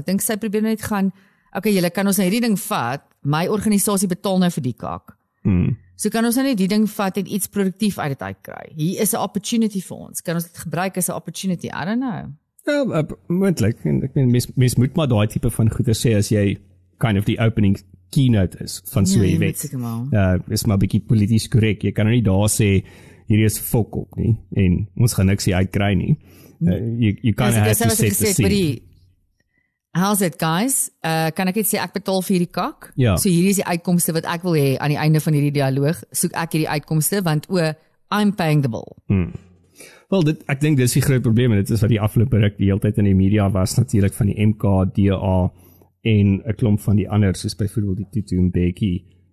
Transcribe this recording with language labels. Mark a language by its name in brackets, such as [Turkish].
[Afrikaans] Ek dink sy probeer net gaan, okay, julle kan ons hierdie ding vat. My organisasie betaal nou vir die kak. So kan ons nou net die ding vat en iets produktief uit dit uitkry. Hier is 'n opportunity vir ons. Kan ons dit gebruik as 'n opportunity? [English] I don't know. [Afrikaans] Ja, moontlik. Ek meen mens moet maar daai tipe van goeie sê as jy kind of die opening keynote is van so 'n event. Ja, is maar 'n bietjie politiek korrek. Jy kan nou nie daar sê hierdie is fok op nie en ons gaan niks hier uitkry nie. [English] You kind of have to set the scene. How's it guys? [Afrikaans] Kan ek net sê ek betaal vir hierdie kak? Ja. So hierdie is die uitkomste wat ek wil hê aan die einde van hierdie dialoog. Soek ek hierdie uitkomste want [English] I'm paying the bill. [Afrikaans] Wel, ek dink dis die groot probleem en dit is wat die afgelope ruk die hele tyd in die media was natuurlik van die MKDA en 'n klomp van die ander soos byvoorbeeld die Tutu Mbeki,